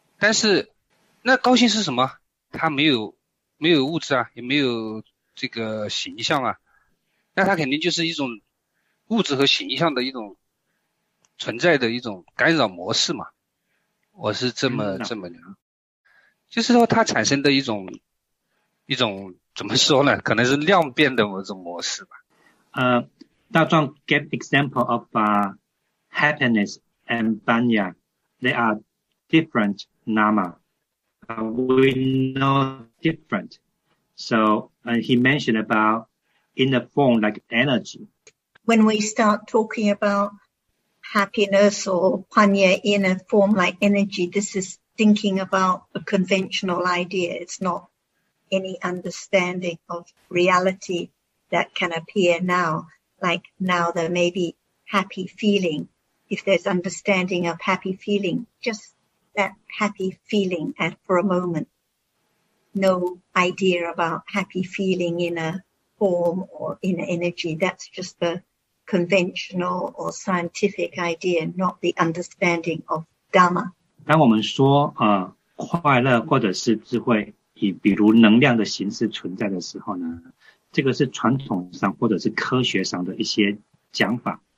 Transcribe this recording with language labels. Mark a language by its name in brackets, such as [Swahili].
[Chinese] 但是那高兴是什么？它没有物质啊，也没有这个形象啊，那它肯定就是一种物质和形象的一种存在的一种干扰模式嘛。我是这么讲，就是说它产生的一种怎么说呢？可能是量变的某种模式吧。 [English] 大壮 gave example of happiness and banya, they are different nama. We know different. So he mentioned about in the form like energy. When we start talking about happiness or panya in a form like energy, this is thinking about a conventional idea. It's not any understanding of reality that can appear now. Like now there may be happy feeling. If there's understanding of happy feeling, justthat happy feeling at for a moment. No idea about happy feeling in a form or in an energy. That's just the conventional or scientific idea, not the understanding of Dhamma. [Chinese] 当我们说快乐或者是智慧以比如能量的形式存在的时候呢，这个是传统上或者是科学上的一些讲法。